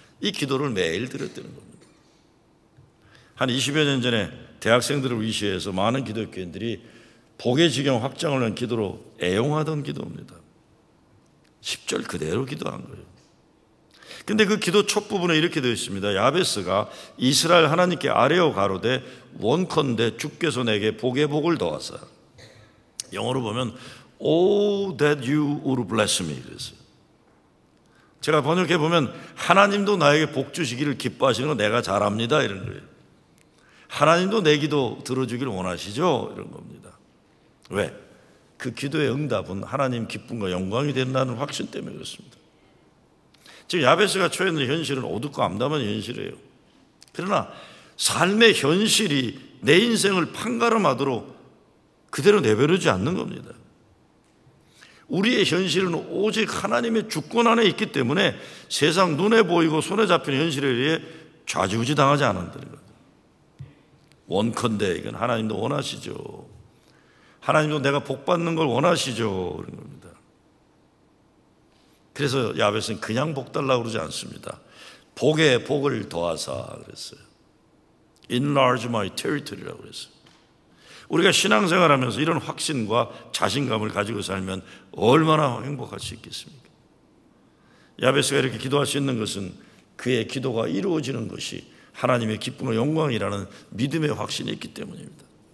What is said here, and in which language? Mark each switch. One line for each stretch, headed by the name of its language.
Korean: 이 기도를 매일 드렸다는 겁니다. 한 20여 년 전에 대학생들을 위시해서 많은 기독교인들이 복의 지경 확장을 위한 기도로 애용하던 기도입니다. 10절 그대로 기도한 거예요. 근데 그 기도 첫부분에 이렇게 되어 있습니다. 야베스가 이스라엘 하나님께 아뢰어 가로되 원컨대 주께서 내게 복의 복을 더하사. 영어로 보면
English: Oh that you would bless me
Korean: 그랬어요. 제가 번역해 보면 하나님도 나에게 복 주시기를 기뻐하시는 거 내가 잘합니다 이런 거예요. 하나님도 내 기도 들어주기를 원하시죠 이런 겁니다. 왜? 그 기도의 응답은 하나님 기쁨과 영광이 된다는 확신 때문에 그렇습니다. 지금 야베스가 처해 있는 현실은 어둡고 암담한 현실이에요. 그러나 삶의 현실이 내 인생을 판가름하도록 그대로 내버려두지 않는 겁니다. 우리의 현실은 오직 하나님의 주권 안에 있기 때문에 세상 눈에 보이고 손에 잡히는 현실에 의해 좌지우지 당하지 않는다는 거죠. 원컨대 이건 하나님도 원하시죠. 하나님도 내가 복받는 걸 원하시죠. 그런 겁니다. 그래서 야베스는 그냥 복 달라고 그러지 않습니다. 복에 복을 더하사 그랬어요.
English: Enlarge my territory
Korean: 라고 그랬어요. 우리가 신앙생활하면서 이런 확신과 자신감을 가지고 살면 얼마나 행복할 수 있겠습니까? 야베스가 이렇게 기도할 수 있는 것은 그의 기도가 이루어지는 것이 하나님의 기쁨과 영광이라는 믿음의 확신이 있기 때문입니다.